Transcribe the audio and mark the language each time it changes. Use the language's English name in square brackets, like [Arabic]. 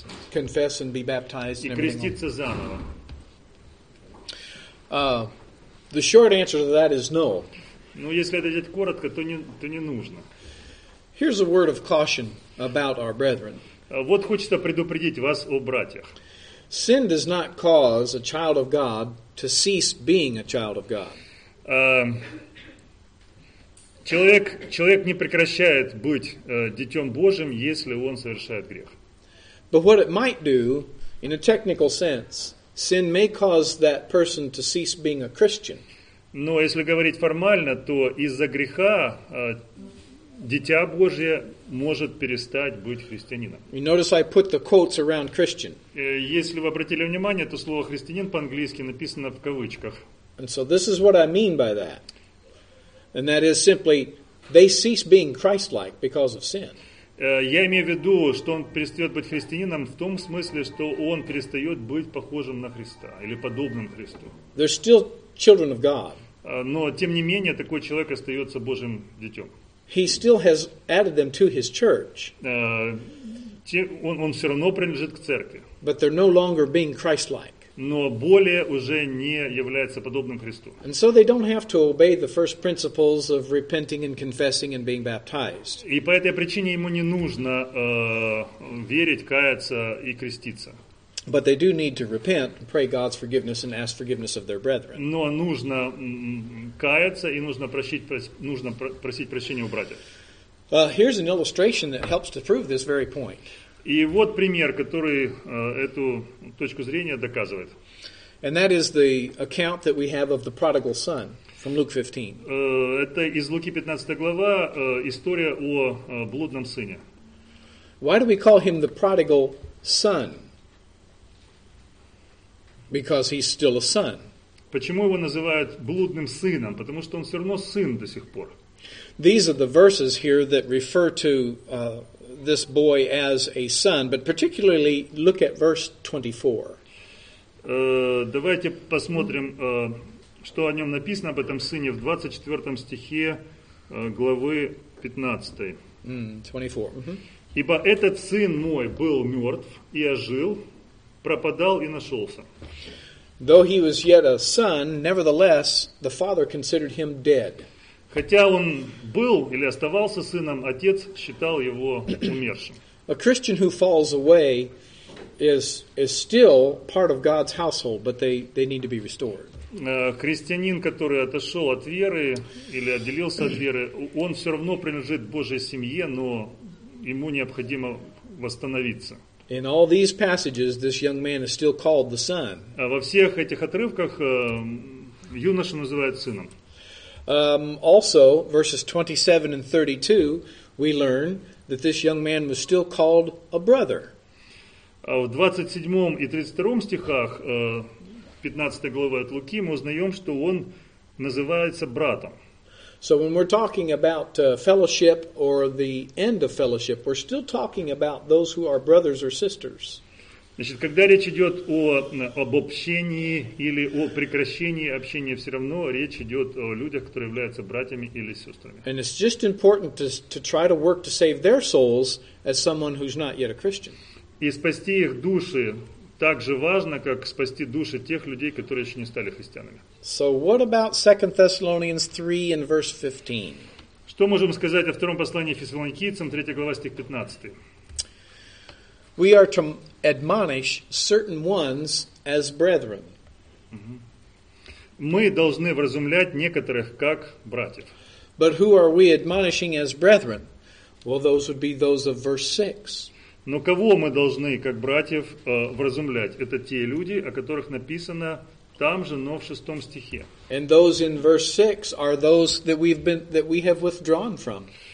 [English] confess and be baptized [Russian] и креститься заново. [English] The short answer to that is no. [Russian] Ну, если ответить коротко, то не нужно. [English] Here's a word of caution about our brethren. [Russian] Вот хочется предупредить вас о братьях. [English] Sin does not cause a child of God to cease being a child of God. [Russian] Человек не прекращает быть детем Божьим, если он совершает грех. [English] But what it might do, in a technical sense, sin may cause that person to cease being a Christian. [Russian] Но если говорить формально, то из-за греха дитя Божье может перестать быть христианином. [English] You notice I put the quotes around Christian. [Russian] Если вы обратили внимание, то слово христианин по-английски написано в кавычках. [English] And so this is what I mean by that. And that is simply, they cease being Christ-like because of sin. [Russian] Я имею в виду, что он перестает быть христианином в том смысле, что он перестает быть похожим на Христа или подобным Христу. [English] They're still children of God. [Russian] Но, тем не менее, такой человек остается Божьим детем. [English] He still has added them to his church. [Russian] Он все равно принадлежит к церкви. [English] But they're no longer being Christ-like. [Russian] Но более уже не является подобным Христу. [English] And so they don't have to obey the first principles of repenting and confessing and being baptized. [Russian] И по этой причине ему не нужно верить, каяться и креститься. [English] But they do need to repent, pray God's forgiveness and ask forgiveness of their brethren. [Russian] Но нужно каяться и нужно просить прощения у братьев. [English] Here's an illustration that helps to prove this very point. [Russian] И вот пример, который эту точку зрения доказывает. [English] And that is the account that we have of the prodigal son from Luke 15. [Russian] Это из Луки 15 глава история о блудном сыне. [English] Why do we call him the prodigal son? Because he's still a son. [Russian] Почему его называют блудным сыном? Потому что он все равно сын до сих пор. [English] These are the verses here that refer to this boy as a son, but particularly look at verse 24. [Russian] Давайте посмотрим, что о нем написано об этом сыне в 24 стихе главы 15. Mm-hmm. Ибо этот сын мой был мертв и ожил, пропадал и нашелся. [English] Though he was yet a son, nevertheless, the father considered him dead. [Russian] Хотя он был или оставался сыном, отец считал его умершим. [English] A Christian who falls away is still part of God's household, but they need to be restored. [Russian] Христианин, который отошел от веры или отделился от веры, он все равно принадлежит Божьей семье, но ему необходимо восстановиться. [English] In all these passages, this young man is still called the son. [Russian] Во всех этих отрывках юношу называют сыном. [English] Also, verses 27 and 32, we learn that this young man was still called a brother. [Russian] В 27 и 32 стихах 15 главы от Луки мы узнаем, что он называется братом. [English] So when we're talking about fellowship or the end of fellowship, we're still talking about those who are brothers or sisters. [Russian] Значит, когда речь идет об общении или о прекращении общения, все равно речь идет о людях, которые являются братьями или сестрами. [English] And it's just important to try to work to save their souls as someone who's not yet a Christian. [Russian] И спасти их души так же важно, как спасти души тех людей, которые еще не стали христианами. [English] So what about 2 Thessalonians 3 and verse 15? [Russian] Что можем сказать о втором послании Фессалоникийцам, 3 глава, стих 15? [English] We are to admonish certain ones as brethren. [Russian] Мы должны вразумлять некоторых как братьев. [English] But who are we admonishing as brethren? Well, those would be those of verse 6. [Russian] Но кого мы должны как братьев вразумлять? Это те люди, о которых написано там же, но в шестом стихе. [English] And those in verse 6 are those that we have withdrawn from.